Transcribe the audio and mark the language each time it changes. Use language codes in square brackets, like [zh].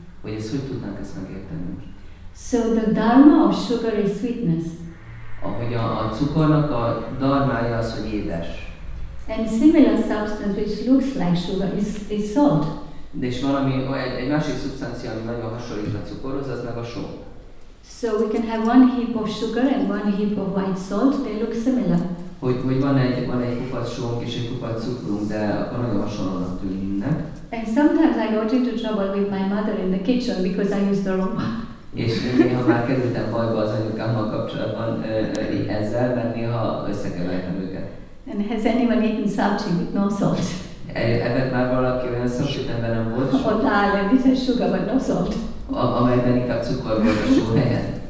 [hu] Hogy ezt hogy tudnánk ezt megérteni? [en] So the dharma of sugar is sweetness. [hu] Ahogy a cukornak a dharmája az, hogy édes. [en] And similar substance which looks like sugar is salt. [hu] De és valami, egy másik szubstancia, ami nagyon hasonlít a cukorhoz, az meg a só. [en] So we can have one heap of sugar and one heap of white salt. They look similar. [hu] Hogy van egy kupac sónk és egy kupac cukrunk, de akkor nagyon hasonlóan tűnnek. [en] And sometimes I got into trouble with my mother in the kitchen because I used the wrong one. [hu] És néha már kerültem bajba az anyukámmal kapcsolatban ezzel, mert néha összekevertem őket. [en] And has anyone eaten sabji with no salt? [hu] Ebben már valaki olyan sabjit, amiben nem volt sok. Ott áll, [en] and it says sugar, but no salt. [hu] Amelyben inkább cukor volt a só helyen.